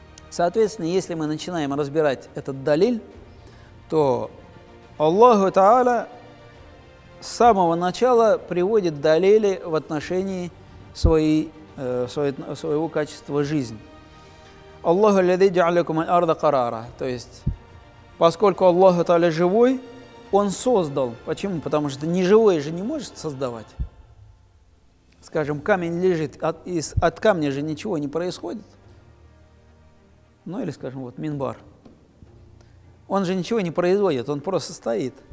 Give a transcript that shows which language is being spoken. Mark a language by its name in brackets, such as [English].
[Russian] Соответственно, если мы начинаем разбирать этот далиль, то Аллаху Тааля с самого начала приводит далили в отношении своего качества жизни. [Arabic] Аллаху, الذي جعل لكم الأرض قرارا. [Russian] То есть, поскольку Аллаху Тааля живой, он создал. Почему? Потому что неживой же не может создавать. Скажем, камень лежит, от камня же ничего не происходит. Ну или, скажем, вот минбар. Он же ничего не производит, он просто стоит.